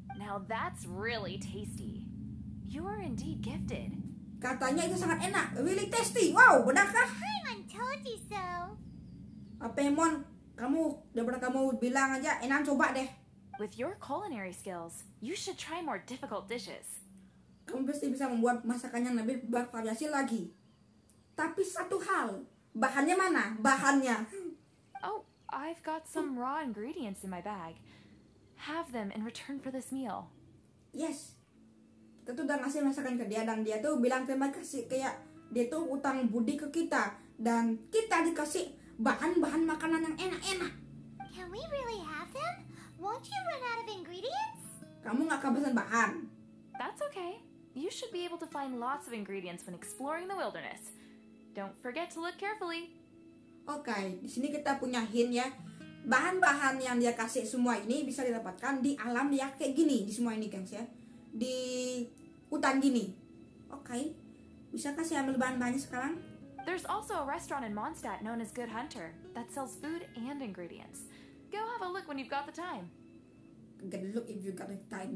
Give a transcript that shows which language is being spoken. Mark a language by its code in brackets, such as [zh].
[en] Now that's really tasty. You are indeed gifted. [id] Katanya itu sangat enak, [en] really tasty. [id] Wow, benarkah? [en] Paimon told you so. [id] Paimon, kamu daripada kamu bilang aja, enak coba deh. [en] With your culinary skills, you should try more difficult dishes. [id] Kamu pasti bisa membuat masakannya lebih bervariasi lagi. Tapi satu hal, bahannya mana? Bahannya. [en] Oh, I've got some raw ingredients in my bag. Have them in return for this meal. [id] Yes. Kita tuh udah ngasih masakan ke dia dan dia tuh bilang terima kasih kayak dia tuh utang budi ke kita dan kita dikasih bahan-bahan makanan yang enak-enak. [en] Can we really have them? Won't you run out of ingredients? [id] Kamu nggak kehabisan bahan. [en] That's okay. You should be able to find lots of ingredients when exploring the wilderness. Don't forget to look carefully. [id] Okay, di sini kita punya hint ya. Bahan-bahan yang dia kasih semua ini bisa didapatkan di alam ya kayak gini di semua ini guys ya. Di hutan gini. Okay. Bisakah saya ambil bahan-bahannya sekarang? [en] There's also a restaurant in Mondstadt known as Good Hunter that sells food and ingredients. Go have a look when you've got the time. Good look if you got the time.